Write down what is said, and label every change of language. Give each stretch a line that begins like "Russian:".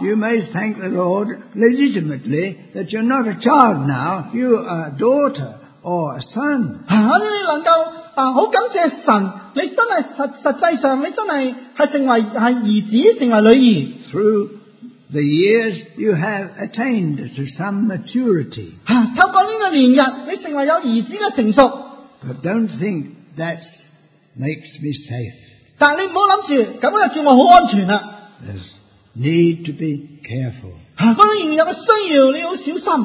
English: you may thank the Lord legitimately that you're not a child now, you are a daughter or a son.
Chinese: 你能够很感谢神, 你真的实际上你真的是成为儿子成为女儿,
English: through the years you have attained to some maturity.
Chinese: 透过这个年日你成为有儿子的成熟,
English: but don't think that makes me safe.
Chinese: 但你不要想着这样就叫我很安全了,
English: there's need to be careful.
Chinese: 那个年日的需要你要小心,